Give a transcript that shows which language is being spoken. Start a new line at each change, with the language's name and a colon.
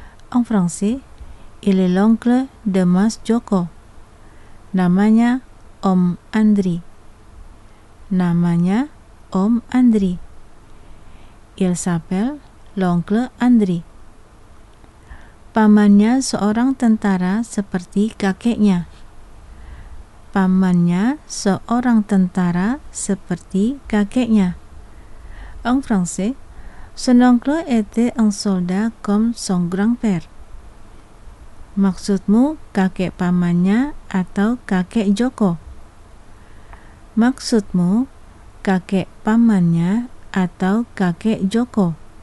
French: En français, il est l'oncle de Mas Joko.
Indonesian: Namanya Om Andri. Namanya Om Andri.
French: Il s'appelle l'oncle Andri.
Indonesian: Pamannya seorang tentara seperti kakeknya. Pamannya seorang tentara seperti kakeknya.
French: En français, son oncle était un soldat comme son grand-père.
Indonesian: Maksudmu kakek pamannya atau kakek Joko? Maksudmu kakek pamannya atau kakek Joko?